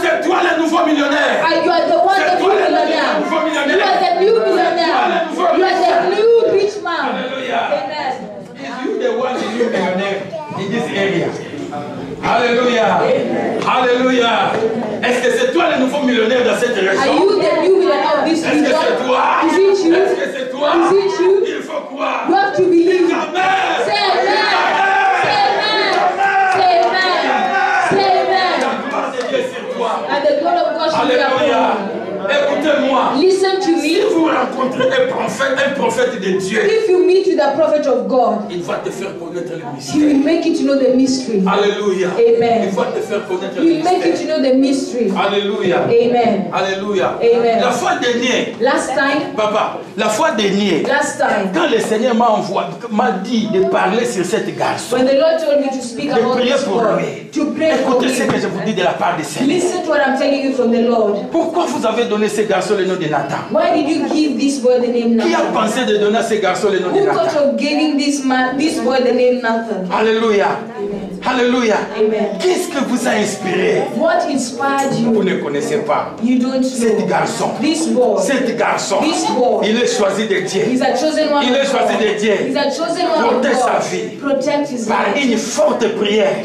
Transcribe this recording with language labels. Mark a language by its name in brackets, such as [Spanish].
[French] C'est toi le nouveau millionnaire. [English] And you are the one, the new millionnaire. [French] C'est toi le nouveau millionnaire. [English] You are the new millionnaire. [French] C'est toi le nouveau [English] you are the new rich man. [French] Alléluia. [English] Amen. Is you the one, the new millionaire in this area? [French] Alléluia. Alléluia. Est-ce que c'est toi le nouveau millionnaire dans cette région? [English] Are you the new millionaire of this region? [French] Est-ce que c'est toi? [English] Is it you? [French] Est-ce que c'est toi? [English] Is it you? [French] Il faut croire. [English] You have to believe. [French] Dis amen. [English] Say amen. [French] Dis amen. [English] Say amen. [French] Dis amen. [English] Say amen. [French] La gloire de Dieu est sur toi. [English] And the glory [French] voilà pourquoi je suis appelé. Écoutez-moi. [English] Listen to me. [French] Si vous rencontrez un prophète de Dieu, [English] if you meet with a prophet of God, [French] il va te faire connaître le mystère. [English] He will make you to know the mystery. [French] Alléluia. [English] Amen. [French] Il va te faire connaître le mystère. [English] He will make you to know the mystery. [French] Alléluia. [English] Amen. [French] Alléluia. [English] Amen. [French] La fois dernière. [English] Last time. [French] Papa, la fois dernière. [English] Last time. [French] Quand le Seigneur m'a envoyé, m'a dit de parler sur cette garçon. [English] When the Lord told me to speak about this boy. [French] De prier pour lui. [English] To pray for him. [French] Écoutez ce que je vous dis de la part du Seigneur. [English] Listen to what I'm telling you from the Lord. [French] Pourquoi vous avez donner ce garçon le nom de Nathan? [English] Why did you give this boy the name Nathan? [French] Qui a pensé de donner ce garçon le nom [English] Who [French] de Nathan? [English] Who thought of giving this boy the name Nathan? [French] Alléluia. [English] Amen. [French] Alléluia. [English] Amen. [French] Qu'est-ce que vous a inspiré? [English] What inspired you? [French] Vous ne connaissez pas. [English] You don't know. [French] Cet garçon. [English] This boy. [French] Cet garçon. [English] This boy. [French] Il est choisi de Dieu. [English] He's a chosen one. [French] Il est choisi de Dieu. [English] He's a chosen one. [French] Protège sa vie. [English] Protect his life. [French] Par une forte prière.